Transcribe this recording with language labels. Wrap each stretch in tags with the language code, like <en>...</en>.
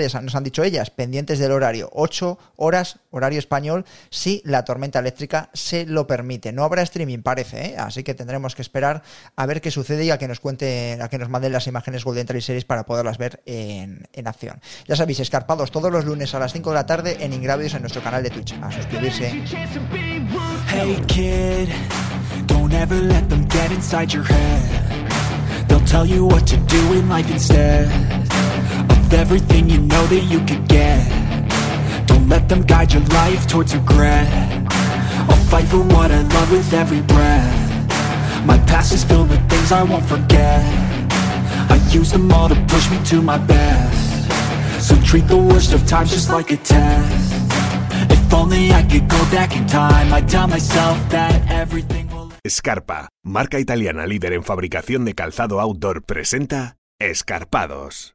<es>Ya nos han dicho ellas, pendientes del horario, 8 horas, horario español, si la tormenta eléctrica se lo permite. No habrá streaming, parece, ¿eh? Así que tendremos que esperar a ver qué sucede y a que nos cuente, a que nos manden las imágenes Golden Trail Series para poderlas ver en acción. Ya sabéis, escarpados todos los lunes a las 5 de la tarde en Ingravios, en nuestro canal de Twitch. A suscribirse.</es> <en>Hey kid, don't ever let them get inside your head. They'll tell you what to do in life instead of everything you know that you could get. Don't let them guide your life towards regret. I'll fight for what I love with every breath. My past is filled with things I won't forget. I use them all to push me to my best. So treat the worst of times just like a test. If only I could go back in time, I'd tell myself that everything will...</en> <es>Scarpa, marca italiana líder en fabricación de calzado outdoor, presenta Escarpados.</es>